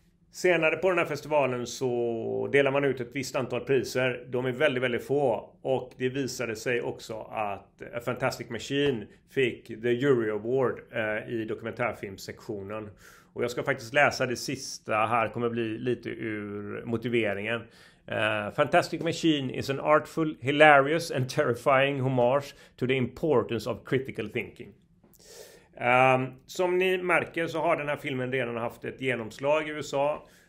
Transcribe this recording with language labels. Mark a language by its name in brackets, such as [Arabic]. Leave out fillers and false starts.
[Swedish] Senare på den här festivalen så delar man ut ett visst antal priser. De är väldigt, väldigt få. Och det visade sig också att A Fantastic Machine fick The Jury Award i dokumentärfilmsektionen. Och jag ska faktiskt läsa det sista här, kommer bli lite ur motiveringen. [English] Fantastic Machine is an artful, hilarious and terrifying homage to the importance of critical thinking. [Swedish] Som ni märker så har den här filmen redan haft ett genomslag i USA.